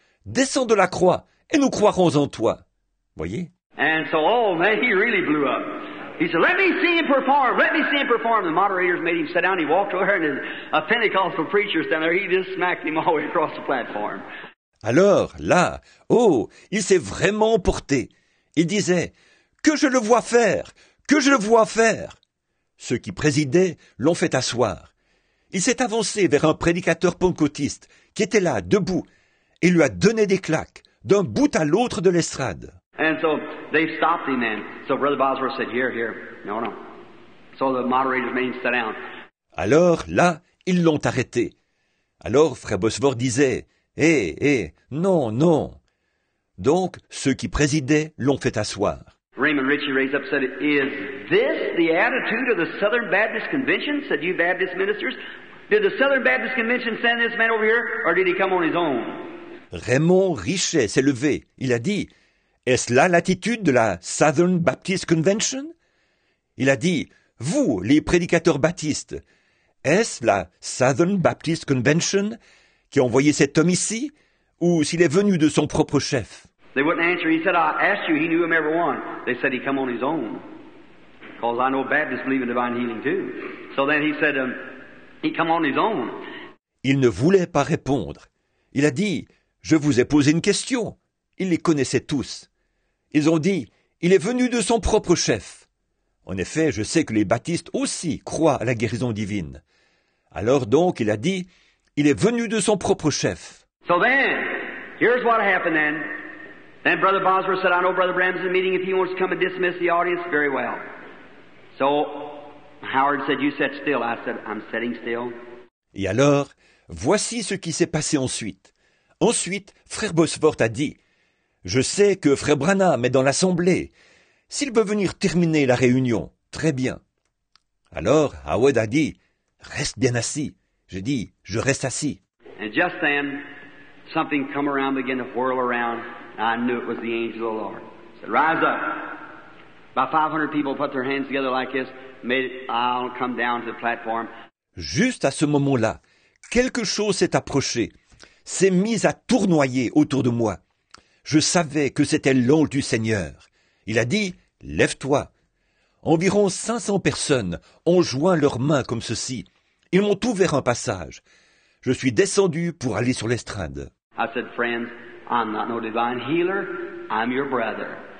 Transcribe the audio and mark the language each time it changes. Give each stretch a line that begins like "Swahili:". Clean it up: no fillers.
French: Descends de la croix et nous croirons en toi. Voyez?
English: And so, oh man, he really blew up. He said, let me see him perform, let me see him perform. The moderators made him sit down, he walked over and a Pentecostal preacher stand there, he just smacked him all the way across the platform.
French: Alors, là, oh, il s'est vraiment emporté. Il disait, que je le vois faire, que je le vois faire. Ceux qui présidaient l'ont fait asseoir. Il s'est avancé vers un prédicateur pentecôtiste qui était là, debout, et lui a donné des claques, d'un bout à l'autre de l'estrade.
English: And so they stopped him then. So Brother Bosworth said, here, here. No, no. So the moderator made him sit down.
French: Alors, là, ils l'ont arrêté. Alors, frère Bosworth disait, non. Donc, ceux qui présidaient l'ont fait asseoir.
English: Raymond Ritchie raised up and said, is this the attitude of the Southern Baptist Convention? Said, you Baptist ministers, did the Southern Baptist Convention send this man over here, or did he come on his own?
French: Raymond Richet s'est levé. Il a dit, est-ce là l'attitude de la Southern Baptist Convention? Il a dit, vous, les prédicateurs baptistes, est-ce la Southern Baptist Convention qui a envoyé cet homme ici, ou s'il est venu de son propre chef?
English: They wouldn't answer. He said, I asked you, he knew him every one. They said he come on his own. Because I know Baptists believe in divine healing too. So then he said, he come on his own.
French: Il ne voulait pas répondre. Il a dit, je vous ai posé une question. Ils les connaissaient tous. Ils ont dit, il est venu de son propre chef. En effet, je sais que les baptistes aussi croient à la guérison divine. Alors donc, il a dit, il est venu de son propre chef.
English: So then, here's what happened then. Then Brother Bosworth said, I know Brother Branham's in a meeting. If he wants to come and dismiss the audience, very well. So, Howard said, you sit still. I said, I'm sitting still.
French: Et alors, Voici ce qui s'est passé ensuite. Ensuite, frère Bosworth a dit, « Je sais que frère Branham est dans l'assemblée. S'il veut venir terminer la réunion, très bien. » Alors, Howard a dit, « Reste bien assis. » J'ai dit, « Je reste assis. » Et juste
English: then, something come around, began to whirl around, and I knew it was the angel of the Lord. I said, rise up. About 500 people put their hands together like this, made it, I'll come down to the platform.
French: Juste à ce moment-là, quelque chose s'est approché, s'est mis à tournoyer autour de moi. Je savais que c'était l'ange du Seigneur. Il a dit, lève-toi. Environ 500 personnes ont joint leurs mains comme ceci. Ils m'ont ouvert un passage. Je suis descendu pour aller sur l'estrade.
English: I said, friends, I'm not no divine healer, I'm your brother.